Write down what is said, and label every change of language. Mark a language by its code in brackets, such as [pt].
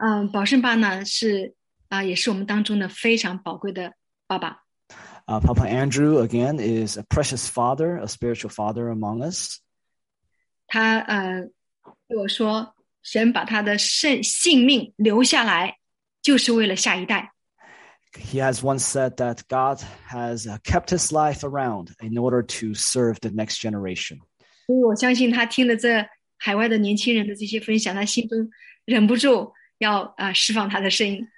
[zh] 宝胜爸呢是也是我们当中的非常宝贵的爸爸。 [en] Papa Andrew, again, is a precious father, a spiritual father among us. [zh] 他对我说，神把他的性命留下来，就是为了下一代。 [en] He has once said that God has kept his life around in order to serve the next generation. [zh] 所以我相信他听了这海外的年轻人的这些分享，他心中忍不住要释放他的声音。